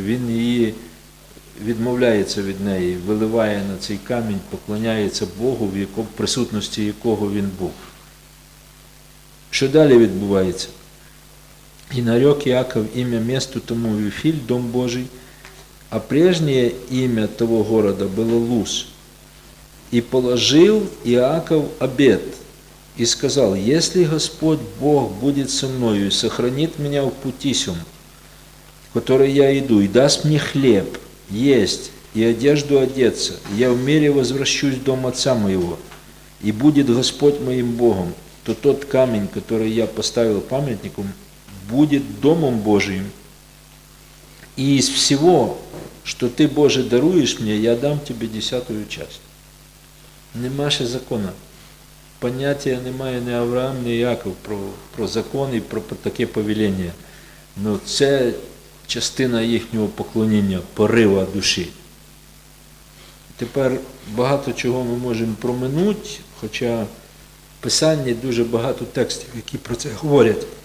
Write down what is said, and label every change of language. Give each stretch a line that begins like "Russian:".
Ukrainian: Він її відмовляється від неї, виливає на цей камінь, поклоняється Богу, в якому присутності якого він був. Що далі відбувається? І нарек Яков ім'я місту тому Вифіль, Дом Божий, а прежнє ім'я того города було Луз. І положив Яков обет.
Russian: И сказал, если Господь Бог будет со мною и сохранит меня в пути сём, который я иду, и даст мне хлеб, есть и одежду одеться, я в мире возвращусь в дом отца моего, и будет Господь моим Богом, то тот камень, который я поставил памятником, будет домом Божиим. И из всего, что ты, Боже, даруешь мне, я дам тебе десятую часть.
Ukrainian: Нема ще закона. Поняття немає ні Авраам, ні Яков про закон і про таке повеління. Но це частина їхнього поклоніння, порива душі. Тепер багато чого ми можемо проминути, хоча в Писанні дуже багато текстів, які про це говорять.